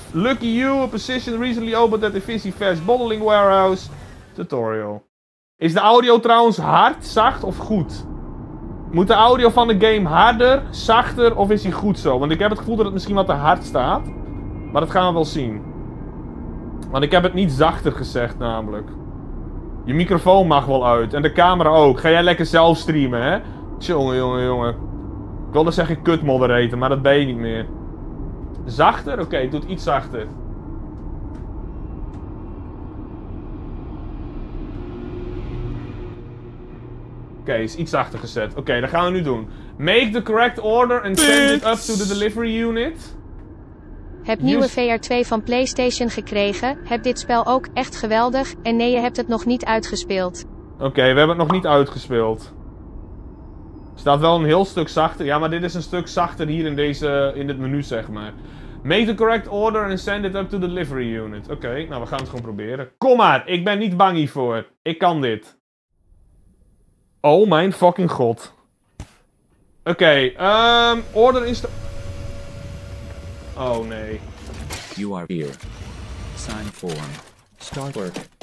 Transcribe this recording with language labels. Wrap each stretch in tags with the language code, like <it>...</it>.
<en>Lucky you, a position recently opened at the Fizzy Fast Bottling Warehouse tutorial.</en> <nl>Is de audio trouwens hard, zacht of goed? Moet de audio van de game harder, zachter of is hij goed zo? Want ik heb het gevoel dat het misschien wat te hard staat. Maar dat gaan we wel zien. Want ik heb het niet zachter gezegd namelijk. Je microfoon mag wel uit en de camera ook. Ga jij lekker zelf streamen, hè? Tjonge. Ik wilde zeggen kut moderator, maar dat ben je niet meer. Zachter? Oké, doe het iets zachter. Oké, is iets zachter gezet. Oké, dat gaan we nu doen.</nl> <en>Make the correct order and send it up to the delivery unit.</en> <nl>Heb nieuwe VR2 van PlayStation gekregen. Heb dit spel ook echt geweldig. En nee, je hebt het nog niet uitgespeeld. Oké, we hebben het nog niet uitgespeeld. Staat wel een heel stuk zachter. Ja, maar dit is een stuk zachter hier in deze, in dit menu, zeg maar.</nl> <en>Make the correct order and send it up to the delivery unit.</en> <nl>Oké, nou, we gaan het gewoon proberen. Kom maar, ik ben niet bang hiervoor. Ik kan dit. Oh mijn fucking god. Oké, order is... Oh nee.</nl> <en>You are here. Sign form. Start work.</en>